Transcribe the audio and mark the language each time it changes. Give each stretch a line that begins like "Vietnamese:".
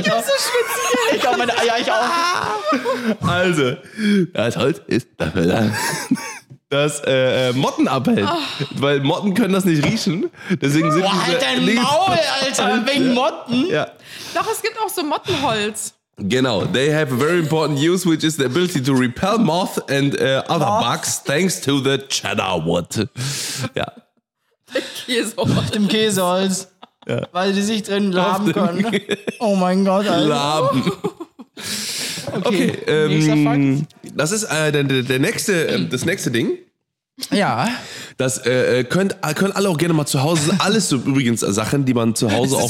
German: Ich bin so schwitzig. Ich auch, meine Eier, ich auch. Also, das Holz ist dafür da, dass Motten abhält. Ach. Weil Motten können das nicht riechen. Deswegen sind Boah, halt dein Links- Maul, Alter, Alter, wegen Motten. Ja. Doch, es gibt auch so Mottenholz. Genau,
English: they have a very important use, which is the ability to repel moth and other Boah. Bugs, thanks to the cheddar wood.
German: Ja. Dem Käseholz. Ja. Weil die sich drin laben können. Oh mein Gott, Alter. Laben. Okay, nächster Fakt. Das ist der nächste, das nächste Ding. Ja. Das können alle auch gerne mal zu Hause, alles so übrigens Sachen, die man zu Hause auch